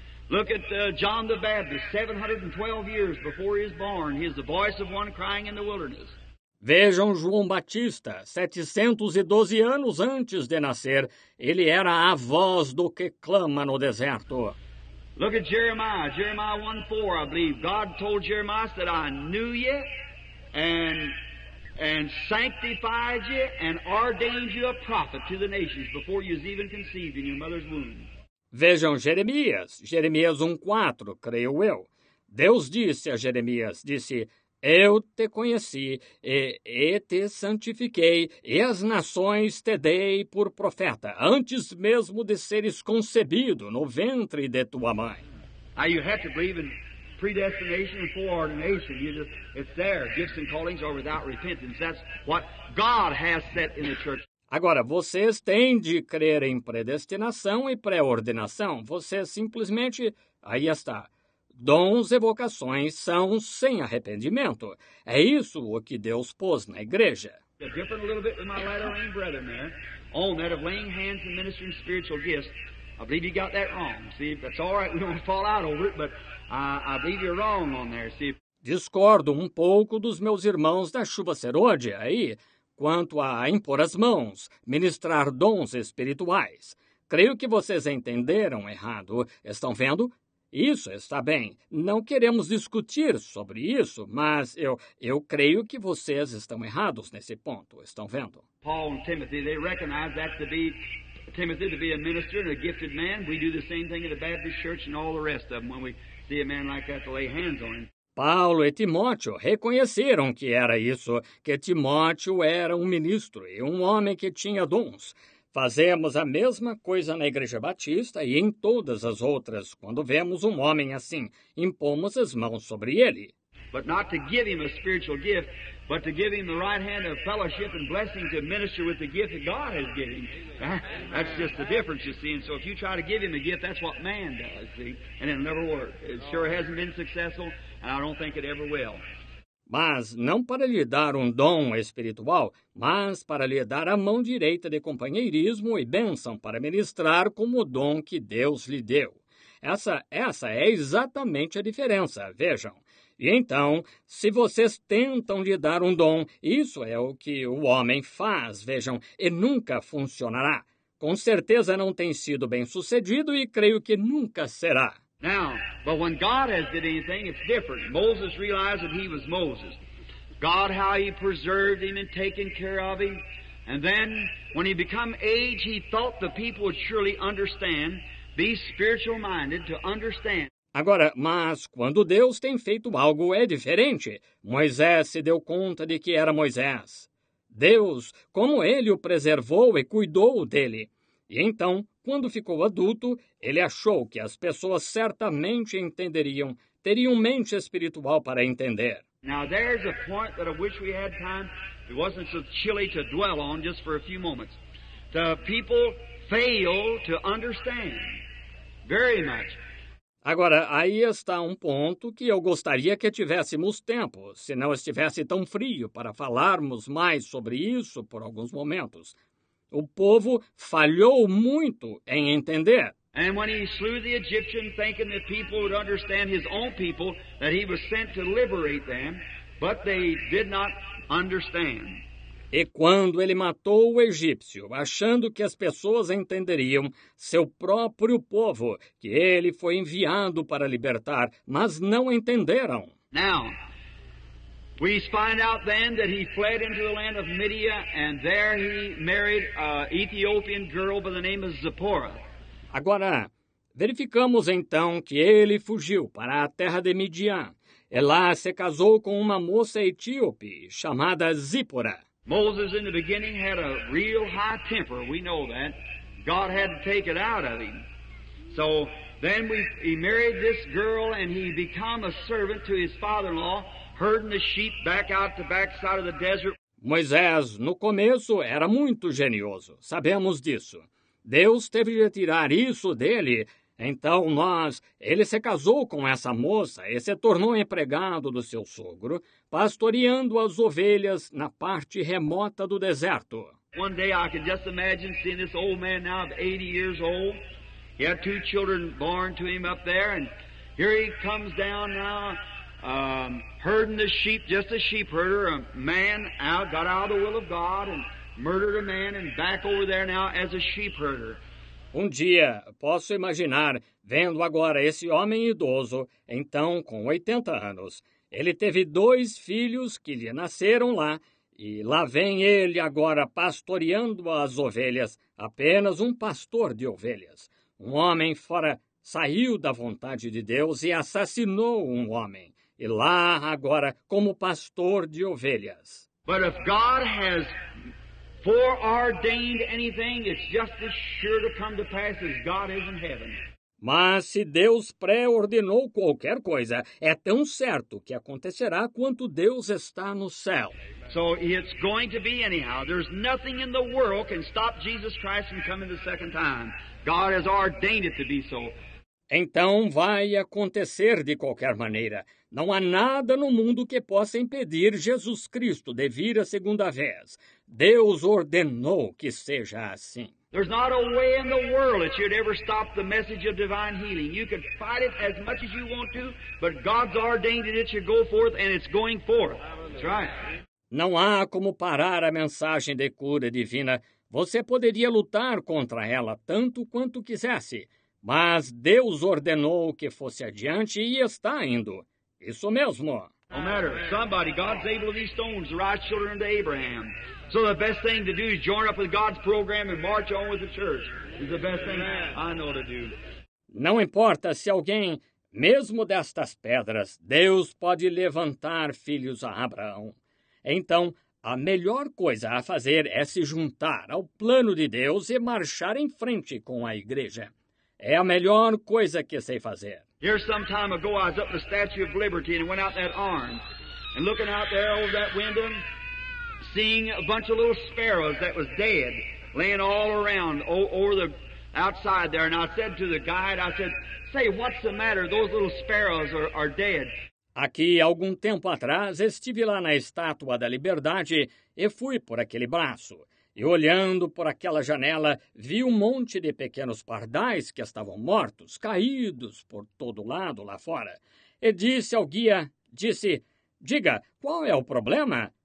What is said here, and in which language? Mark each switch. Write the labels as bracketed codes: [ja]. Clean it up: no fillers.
[en] Look at John the Baptist, 712 years before he was born, he is the voice of one crying in the wilderness. [pt] Vejam João Batista, 712 anos antes de nascer, ele era a voz do que clama no deserto. [en] Look at Jeremiah 1:4, I believe. God told Jeremiah that I knew you and sanctified you and ordained you a prophet to the nations before you was even conceived in your mother's womb. [pt] Vejam Jeremias 1:4, creio eu. Deus disse a Jeremias, disse: Eu te conheci e te santifiquei, e as nações te dei por profeta, antes mesmo de seres concebido no ventre de tua mãe. [en] Now you have to believe in predestination and foreordination. It's there, gifts and callings are without repentance. That's what God has set in the church. [pt] Agora, vocês têm de crer em predestinação e pré-ordenação. Vocês simplesmente, aí está, dons e vocações são sem arrependimento. É isso o que Deus pôs na igreja. [en] I'm dipping a little bit with my latter rain brethren there, on that of laying hands and ministering spiritual gifts. I believe you got that wrong. See, that's all right, we don't fall out over it, but I believe you're wrong on there, see. [pt] Discordo um pouco dos meus irmãos da chuva serôdia aí, quanto a impor as mãos, ministrar dons espirituais. Creio que vocês entenderam errado. Estão vendo? Isso está bem. Não queremos discutir sobre isso, mas eu creio que vocês estão errados nesse ponto. Estão vendo? [en] Paul and Timothy, they recognize that to be Timothy to be a minister and a gifted man. We do the same thing at the Baptist Church and all the rest of them when we see a man like that to lay hands on him. [pt] Paulo e Timóteo reconheceram que era isso, que Timóteo era um ministro e um homem que tinha dons. Fazemos a mesma coisa na Igreja Batista e em todas as outras. Quando vemos um homem assim, impomos as mãos sobre ele. [en] But not to give him a spiritual gift, but to give him the right hand of fellowship and blessing to minister with the gift that God has given him. That's just the difference, you see. And so if you try to give him a gift, that's what man does, see. And it'll never work. It sure hasn't been successful, and I don't think it ever will. [pt] Mas não para lhe dar um dom espiritual, mas para lhe dar a mão direita de companheirismo e bênção para ministrar como o dom que Deus lhe deu. Essa é exatamente a diferença, vejam. E então, se vocês tentam lhe dar um dom, isso é o que o homem faz, vejam, e nunca funcionará. Com certeza não tem sido bem sucedido e creio que nunca será. [en] Now, but when God has did anything, it's different. Moses realized that he was Moses. God, how he preserved him and taken care of him. And then, when he became age, he thought the people would surely understand, be spiritual minded to understand. [pt] Agora, mas quando Deus tem feito algo, é diferente. Moisés se deu conta de que era Moisés. Deus, como ele o preservou e cuidou dele. E então, quando ficou adulto, ele achou que as pessoas certamente entenderiam, teriam mente espiritual para entender. [en] Now, there's a point that I wish we had time. It wasn't so chilly to dwell on just for a few moments. The people fail to understand very much. [pt] Agora, aí está um ponto que eu gostaria que tivéssemos tempo, se não estivesse tão frio, para falarmos mais sobre isso por alguns momentos. O povo falhou muito em entender. [en] And when he slew the Egyptian, thinking that people would understand his own people, that he was sent to liberate them, but they did not understand. [pt] E quando ele matou o egípcio, achando que as pessoas entenderiam, seu próprio povo, que ele foi enviado para libertar, mas não entenderam. [en] Now, we find out then that he fled into the land of Midian, and there he married an Ethiopian girl by the name of Zipporah. [pt] Agora, verificamos então que ele fugiu para a terra de Midian. E lá se casou com uma moça etíope chamada Zípora. [en] Moses, in the beginning, had a real high temper. We know that. God had to take it out of him. So then he married this girl, and he became a servant to his father-in-law, herding the sheep back out the backside of the desert. [pt] Moisés, no começo, era muito genioso. Sabemos disso. Deus teve de tirar isso dele. Então ele se casou com essa moça e se tornou empregado do seu sogro, pastoreando as ovelhas na parte remota do deserto. [en] One day I can just imagine seeing this old man now of 80 years old, He had two children born to him up there, and here he comes down now, herding the sheep, just a sheep herder, a man out, got out of the will of God, and murdered a man, and back over there now as a sheep herder. [pt] Um dia, posso imaginar, vendo agora esse homem idoso, então com 80 anos, ele teve dois filhos que lhe nasceram lá, e lá vem ele agora pastoreando as ovelhas, apenas um pastor de ovelhas. Um homem fora saiu da vontade de Deus e assassinou um homem, e lá agora como pastor de ovelhas. [en] But if God has foreordained anything, it's just as sure to come to pass as God is in heaven. [pt] Mas se Deus pré-ordenou qualquer coisa, é tão certo que acontecerá quanto Deus está no céu. [en] So it's going to be anyhow. There's nothing in the world can stop Jesus Christ from coming the second time. God has ordained it to be so. [pt] Então vai acontecer de qualquer maneira. Não há nada no mundo que possa impedir Jesus Cristo de vir a segunda vez. Deus ordenou que seja assim. [en] There's not a way in the world that you'd ever stop the message of divine healing. You could fight it as much as you want to, but God's ordained it, it should go forth, and it's going forth. That's right. [pt] Não há como parar a mensagem de cura divina. Você poderia lutar contra ela tanto quanto quisesse, mas Deus ordenou que fosse adiante e está indo. Isso mesmo. [en] No matter, somebody, God's able with these stones, the right children unto Abraham. So the best thing to do is join up with God's program and march on with the church. It's the best thing I know to do. [pt] Não importa se alguém, mesmo destas pedras, Deus pode levantar filhos a Abraão. Então, a melhor coisa a fazer é se juntar ao plano de Deus e marchar em frente com a igreja. É a melhor coisa que sei fazer. [en] Here some time ago, I was up the Statue of Liberty and went out that arm. And looking out there over that window, seeing a bunch of little sparrows that was dead, laying all around over the outside there. And I said to the guide, I said, say, what's the matter? Those little sparrows are dead. [pt] Aqui, algum tempo atrás, estive lá na Estátua da Liberdade e fui por aquele braço. E olhando por aquela janela, vi um monte de pequenos pardais que estavam mortos, caídos por todo lado lá fora. E disse ao guia, disse, diga, qual é o problema?